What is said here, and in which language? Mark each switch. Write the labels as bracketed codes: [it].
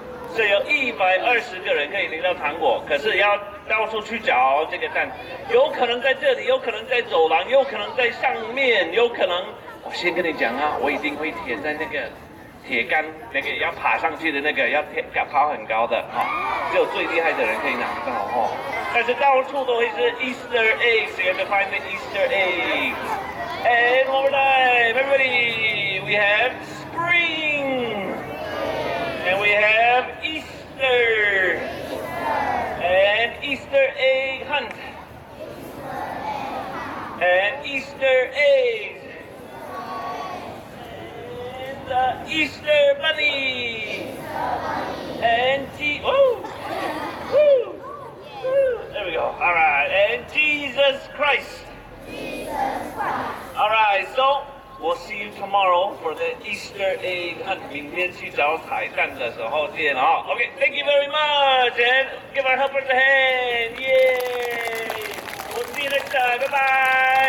[zh] 所以有120个人可以拎到糖果，可是要到处去找这个蛋，有可能在这里，有可能在走廊，有可能在上面，有可能……我先跟你讲啊，我一定会贴在那个。铁杆那个要爬上去的那个要爬很高的哈、哦，只有最厉害的人可以拿到哈、哦。但是到处都会是 [en] Easter eggs， you have to find the Easter eggs。 And one more time, everybody, we have spring, and we have Easter, and Easter egg hunt, and Easter eggs. Easter bunny. There we go. All right. And Jesus Christ. All right. So we'll see you tomorrow for the Easter egg hunt. [zh] 明天去找彩蛋的时候见啊。 [en] Okay. Thank you very much. And give our helpers a hand. Yay. We'll see you next time. Bye bye.